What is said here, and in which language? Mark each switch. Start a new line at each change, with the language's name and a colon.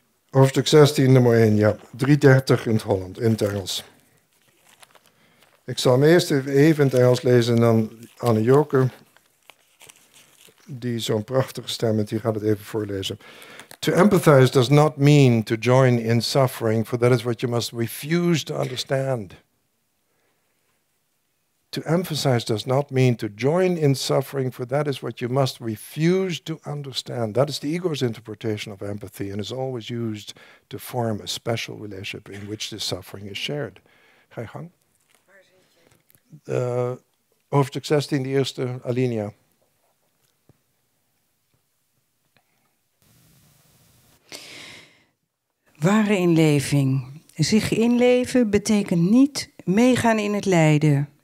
Dutch: Hoofdstuk 16, nummer 1, ja. 330 in het Holland, in het Engels. Ik zal hem eerst even in het Engels lezen en dan Anne Joke, die zo'n prachtige stem heeft, die gaat het even voorlezen.
English: To empathize does not mean to join in suffering, for that is what you must refuse to understand. To empathize does not mean to join in suffering, for that is what you must refuse to understand. That is the ego's interpretation of empathy and is always used to form a special relationship in which the suffering is shared. Hai Hang?
Dutch: Hoofdstuk 16, de eerste alinea. Ware inleving. Zich inleven betekent niet meegaan in het lijden.